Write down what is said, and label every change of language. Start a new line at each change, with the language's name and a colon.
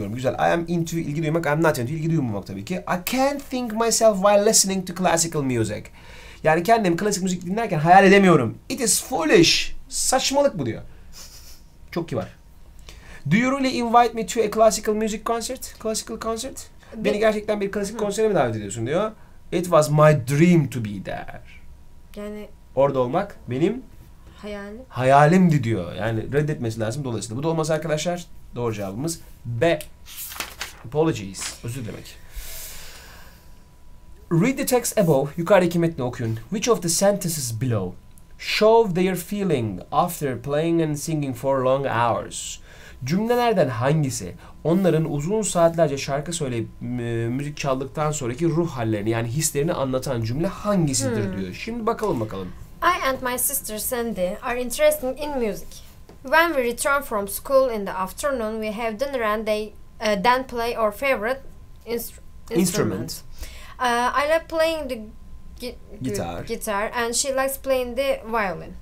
Turkish: duymuyorum. Güzel.
English: I am into
Turkish: ilgi duymak,
English: I am not into
Turkish: ilgi duymamak tabii ki.
English: I can't think myself while listening to classical music.
Turkish: Yani kendim klasik müzik dinlerken hayal edemiyorum.
English: It is foolish.
Turkish: Saçmalık bu diyor. Çok kibar.
English: Do you really invite me to a classical music concert? Classical concert?
Turkish: Beni gerçekten bir klasik konsere mi davet ediyorsun diyor.
English: It was my dream to be there.
Turkish: Yani Orada olmak benim hayali. hayalimdi diyor. Yani reddetmesi lazım dolayısıyla. Bu da olmaz arkadaşlar. Doğru cevabımız B. Apologies. Özür demek.
English: Read the text above.
Turkish: Yukarıdaki metni okuyun.
English: Which of the sentences below show their feeling after playing and singing for long hours?
Turkish: Cümlelerden hangisi onların uzun saatlerce şarkı söyleyip müzik çaldıktan sonraki ruh hallerini yani hislerini anlatan cümle hangisidir diyor. Şimdi bakalım bakalım.
English: I and my sister Sandy are interested in music. When we return from school in the afternoon, we have dinner and they then play our favorite Instrument. instrument. I love playing the
Turkish: Gitar.
English: guitar and she likes playing the violin.